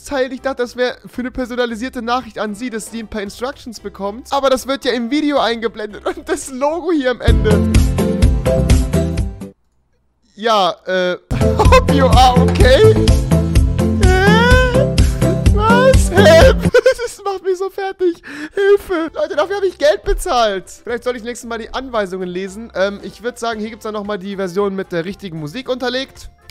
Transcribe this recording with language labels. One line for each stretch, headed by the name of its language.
German: Ich dachte, das wäre für eine personalisierte Nachricht an sie, dass sie ein paar Instructions bekommt. Aber das wird ja im Video eingeblendet und das Logo hier am Ende.
English: Ja, hope you are okay. Hä? Was? Help?
German: Das macht mich so fertig. Hilfe. Leute, dafür habe ich Geld bezahlt. Vielleicht soll ich nächstes Mal die Anweisungen lesen. Ich würde sagen, hier gibt es dann nochmal die Version mit der richtigen Musik unterlegt.